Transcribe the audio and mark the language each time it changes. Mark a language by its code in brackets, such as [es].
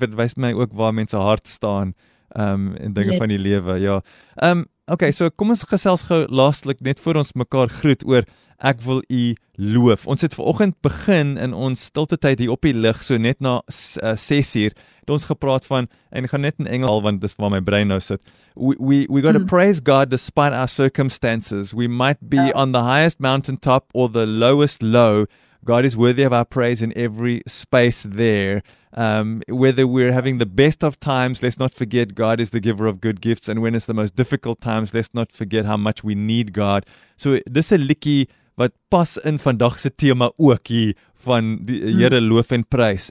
[af] Dit wys my ook waar mense hart staan in dinge van die lewe. Ja. Okay, so kom ons gesels gou laastelik net voor ons mekaar groet oor Ek Wil U Loof. Ons het vanoggend begin in ons stilte tyd hier op die lig, so net na 6:00. Ons gepraat van en gaan net in Engels want dis waar my brein nou sit. [en] We got to praise God despite our circumstances. We might be on the highest mountaintop or the lowest low. God is worthy of our praise in every space there. Whether we're having the best of times, let's not forget God is the giver of good gifts. And when it's the most difficult times, let's not forget how much we need God. [af] So dis 'n liedjie wat pas in vandag se tema ook hier van die Here loof en prys.